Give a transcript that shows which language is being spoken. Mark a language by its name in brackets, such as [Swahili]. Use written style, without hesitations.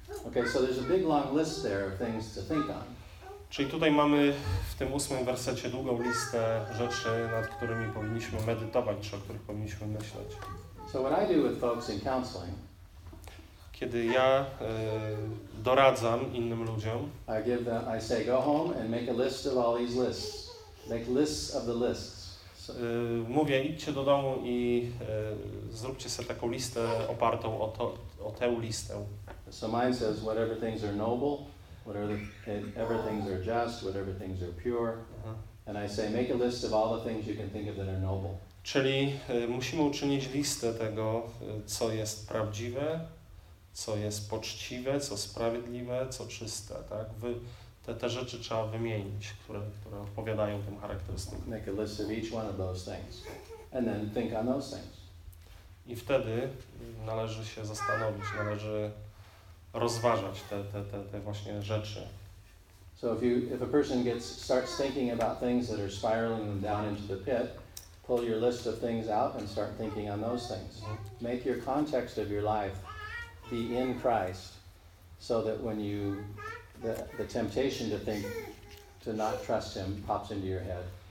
[English] Okay, so there's a big long list there of things to think on. [Polish] Czyli tutaj mamy w tym ósmym wersecie długą listę rzeczy, nad którymi powinniśmy medytować, czy o których powinniśmy myśleć. [English] So what I do with folks in counseling, [Polish] kiedy ja doradzam innym ludziom, [English] I say go home and make a list of all these lists. Make lists of the lists. [Polish] Mówię, idźcie do domu i zróbcie sobie taką listę opartą o tę listę. [English] So mine says whatever things are noble, whatever things are just, whatever things are pure. Uh-huh. And I say make a list of all the things you can think of that are noble. [Polish] Czyli musimy uczynić listę tego, co jest prawdziwe, co jest poczciwe, co sprawiedliwe, co czyste, tak? Te rzeczy trzeba wymienić, które odpowiadają tym charakterystykom. [English] Make a list of each one of those things. And then think on those things. [Polish] I wtedy należy się zastanowić, należy rozważać te właśnie rzeczy. [English] So if a person starts thinking about things that are spiraling them down into the pit, pull your list of things out and start thinking on those things. Make your context of your life be in Christ, so that when you the temptation to think to not trust him pops into your head.